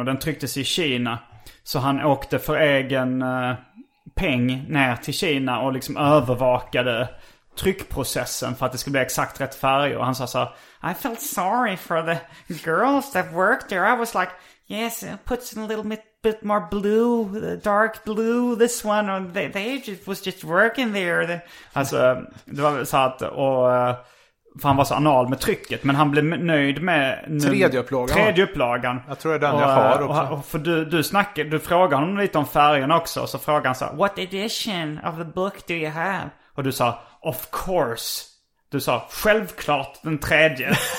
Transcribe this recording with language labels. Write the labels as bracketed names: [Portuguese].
[Swedish] Och den trycktes i Kina. Så han åkte för egen peng ner till Kina och liksom övervakade tryckprocessen för att det skulle bli exakt rätt färg. Och han sa så, [English] I felt sorry for the girls that worked there. I was like, yes, put a little bit more blue, the dark blue, this one. And they just was just working there. [Swedish] Alltså, det var så att, för han var så anal med trycket, men han blev nöjd med tredje upplagan. Jag tror det är den jag har också. För du frågade honom lite om färgen också, och så frågade han så, [English] what edition of the book do you have? [Swedish] Och du sa, [English] of course. [Swedish] Du sa, självklart den tredje.